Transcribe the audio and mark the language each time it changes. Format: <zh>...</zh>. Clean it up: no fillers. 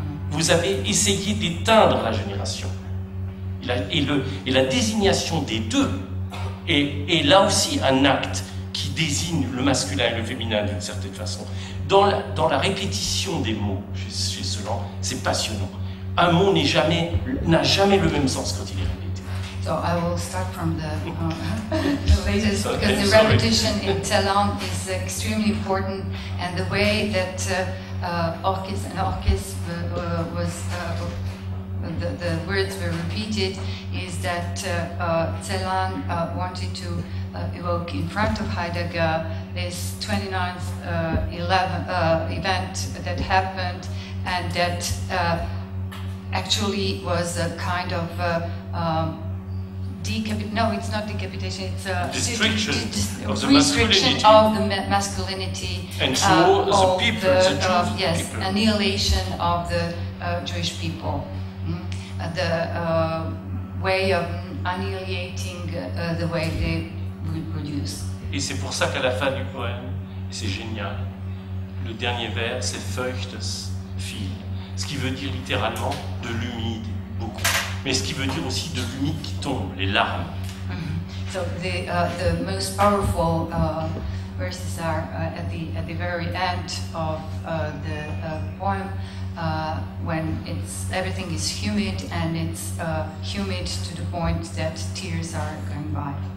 <fr>Vous avez essayé d'éteindre la génération. Et la désignation des deux est là aussi un acte qui désigne le masculin et le féminin d'une certaine façon. Dans la répétition des mots chez Celan, c'est passionnant. Un mot n'a jamais le même sens quand il est répété.</fr> <en>So I will start from the latest, because the repetition in Celan is extremely important, and the way that the words were repeated is that Celan wanted to evoke in front of Heidegger this 29th 11 event that happened, and that actually was a kind of restriction of the masculinity and so the people. Annihilation of the Jewish people. The way of annihilating the way they reproduce.</en> <fr>Et c'est pour ça qu'à la fin du poème, c'est génial. Le dernier vers, c'est</fr> <de>feuchtes viel,</de> <fr>ce qui veut dire littéralement de l'humide, beaucoup. Mais ce qui veut dire aussi de l'humide qui tombe, les larmes.</fr> <en>So the most powerful verses are at the very end of the poem. When everything is humid, and it's humid to the point that tears are going by.</en>